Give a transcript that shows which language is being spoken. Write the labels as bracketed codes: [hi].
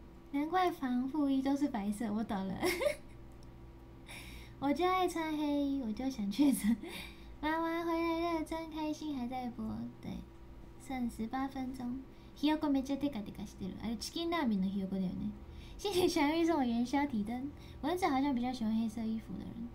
[zh] 难怪防护衣都是白色，我懂了。我就爱穿黑衣，我就想确诊。妈妈回来了，真开心，还在播。对，剩18分钟。 [ja] ひよこめっちゃテカテカしてる。あれチキンラーメンのひよこだよね。 [zh] 谢谢小玉送我元宵提灯。蚊子好像比较喜欢黑色衣服的人。